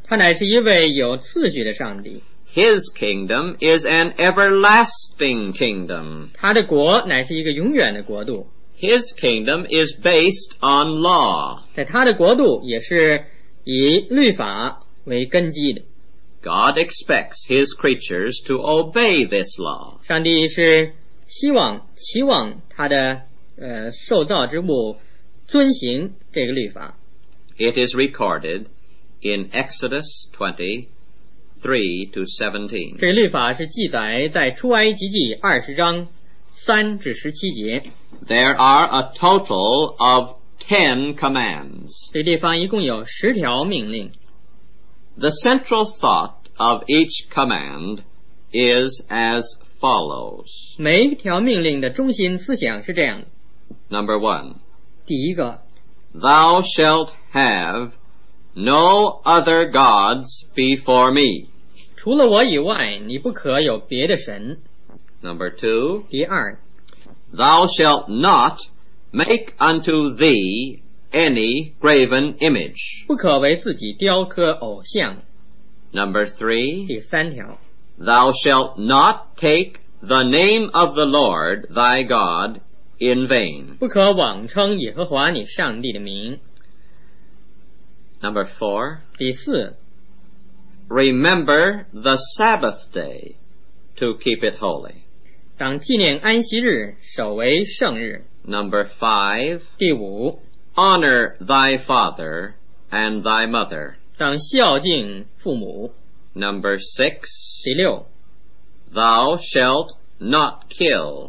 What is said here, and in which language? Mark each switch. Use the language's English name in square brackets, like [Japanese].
[Chinese] 他乃是一位有次序的上帝。 [English] His kingdom is an everlasting kingdom. [Chinese] 他的国乃是一个永远的国度。 [English] His kingdom is based on law. [Chinese] 在他的国度也是以律法为根基的。 [English] God expects his creatures to obey this law. [Chinese] 上帝是希望期望他的受造之物遵行这个律法。 [English] It is recorded in Exodus 20:3-17. [Chinese] 这律法是记载在出埃及记二十章三至十七节。 [English] There are a total of 10 commands. [Chinese] 这地方一共有十条命令。 [English] The central thought of each command is as follows. [Chinese] 每一条命令的中心思想是这样的。 [English] Number one. [Chinese] 第一个。 [English] Thou shalt have no other gods before me. [Chinese] 除了我以外，你不可有别的神。 [English] Number two. [Chinese] 第二。 [English] Thou shalt not make unto thee any graven image. [Chinese] 不可为自己雕刻偶像。 [English] Number three. [Chinese] 第三条。 [English] Thou shalt not take the name of the Lord thy God in vain. [Chinese] 不可妄称耶和华你上帝的名。 [English] Number four. [Chinese] 第四。 [English] Remember the Sabbath day to keep it holy. [Chinese] 当纪念安息日，守为圣日。 [English] Number five. [Chinese] 第五。 [English] Honor thy father and thy mother. [Chinese] 当孝敬父母。 [English] Number six. [Chinese] 第六。 [English] Thou shalt not kill.